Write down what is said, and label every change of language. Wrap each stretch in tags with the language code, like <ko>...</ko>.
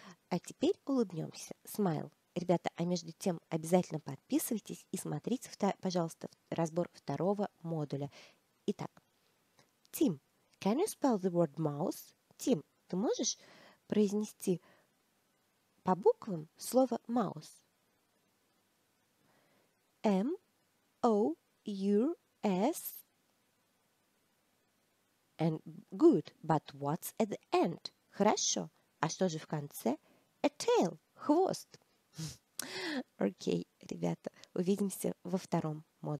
<ru>А теперь улыбнемся. Смайл. Ребята, а между тем обязательно подписывайтесь и смотрите, пожалуйста, разбор второго модуля.</ru> <en>Итак, Тим, can you spell the word mouse?</en> <ru>Тим, ты можешь произнести по буквам слово mouse?</ru> <en>M-O-U-S and good, but what's at the end?</en> <ru>Хорошо, а что же в конце?</ru> <en>A tail,</en> <ru>хвост. Окей, ребята, увидимся во втором модуле.</ru>